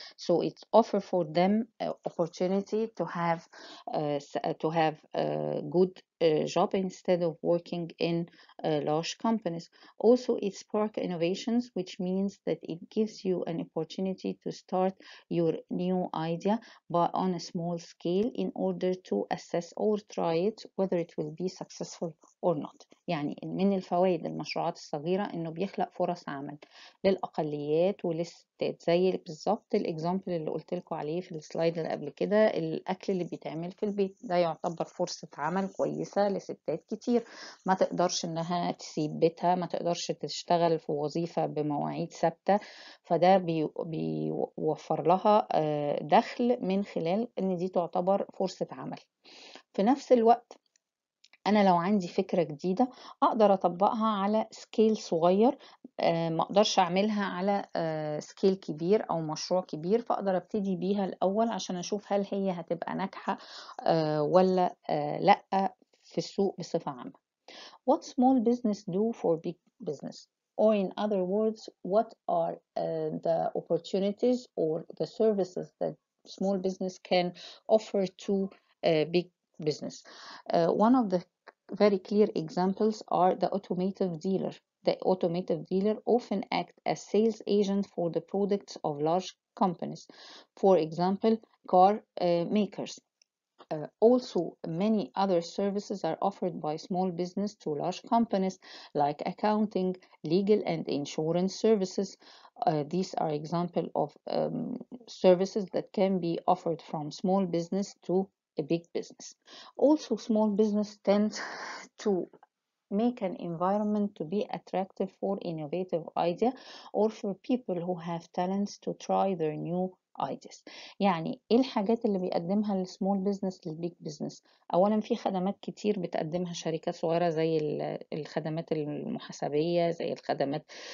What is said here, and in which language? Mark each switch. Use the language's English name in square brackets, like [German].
[English] So it's offer for them opportunity to have a good job instead of working in large companies. Also, it spark innovations, which means that it gives you an opportunity to start your new idea but on a small scale in order to assess or try it whether it will be successful or not. [Arabic] يعني من الفوائد المشروعات الصغيرة إنه بيخلق فرص عمل للأقليات وللستات زي بالظبط الإكزامبل اللي قلت لكم عليه في السلايد اللي قبل كده الأكل اللي بيتعمل في البيت ده يعتبر فرصة عمل كويسة لستات كتير ما تقدرش إنها تسيب بيتها ما تقدرش تشتغل في وظيفة بمواعيد ثابتة فده بيوفر لها دخل من خلال إن دي تعتبر فرصة عمل في نفس الوقت أنا لو عندي فكرة جديدة أقدر أطبقها على سكيل صغير ما أقدرش أعملها على سكيل كبير أو مشروع كبير فأقدر أبتدي بيها الأول عشان أشوف هل هي هتبقى ناجحة ولا لأ في السوق بصفة عامة. [English] What small business do for big business? Or in other words, what are the opportunities or the services that small business can offer to big business? One of the very clear examples are the automotive dealer. The automotive dealer often act as sales agent for the products of large companies, for example, car makers. Also, many other services are offered by small business to large companies, like accounting, legal and insurance services. These are examples of services that can be offered from small business to a big business. Also, small business tends to make an environment to be attractive for innovative ideas or for people who have talents to try their new ideas. [Arabic] يعني إيه الحاجات اللي بيقدمها السمول بيزنس للبيج بيزنس؟ أولا في خدمات كتير بتقدمها شركات صغيرة زي الخدمات المحاسبية زي الخدمات